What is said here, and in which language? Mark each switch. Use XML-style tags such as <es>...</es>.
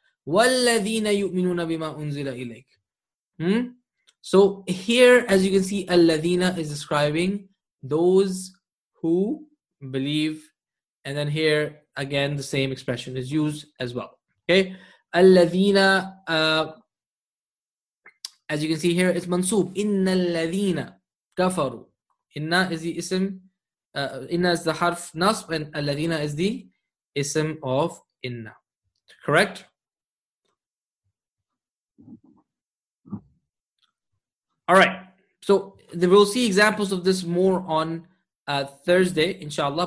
<ar>وَالَّذِينَ يُؤْمِنُونَ بِمَا أُنزِلَ إِلَيْكَ</ar> <en>So here, as you can see, الَّذِينَ is describing those who believe. And then here, again, the same expression is used as well. Okay? الَّذِينَ as you can see here, it's mansub.</en> <ar>إِنَّ الَّذِينَ كَفَرُوا إِنَّ</ar> <en>is the ism. إِنَّ is the harf nasb. And الَّذِينَ is the ism of إِنَّ. Correct? Alright, so we'll see examples of this more on Thursday, inshallah.</en>